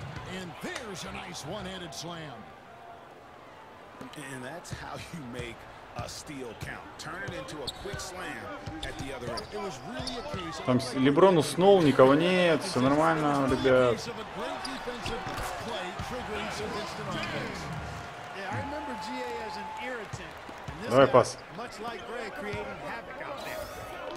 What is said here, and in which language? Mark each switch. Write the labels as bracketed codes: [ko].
[en] And there's a nice one-handed slam. And that's how you make a steal count. Turn it into a quick slam at the other end. It was really a case. [ru] Там Леброн уснул, никого нет, все нормально, ребят. [en] Yeah, I remember GA as an irritant. [ru] Давай пас. [en] Much like Greg creating havoc out there.